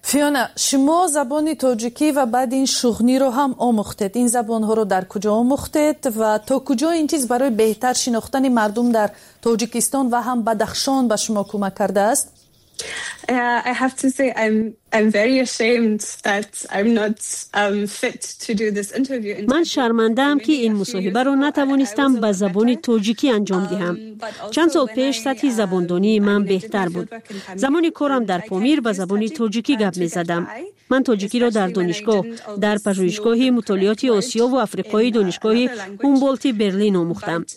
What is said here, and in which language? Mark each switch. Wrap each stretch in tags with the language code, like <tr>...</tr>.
<tg>Фиона, шумо забони тоҷикӣ ва баъд ин шуғниро ҳам омӯхтед. Ин забонҳоро дар куҷо омӯхтед ва то куҷо ин чиз барои беҳтар шинохтани мардум дар Тоҷикистон ва ҳам Бадахшон ба шумо кӯмак кардааст?</tg> <en>I have to say I'm very ashamed that I'm not fit to do this interview.</en> <tg>Ман шарманда‌ам ки ин мусоҳибаро натавонистам ба забони тоҷикӣ анҷом диҳам. Чанд сол пеш сатҳи забондонии ман беҳтар буд. Замони корам дар Помир ба забони тоҷикӣ гап мезадам.</tg> <fa>من تاجیکی را در دانشگاه، در پژوهشگاه مطالعات آسیا و آفریقایی دانشگاه هومبولت برلین آموختم.</fa>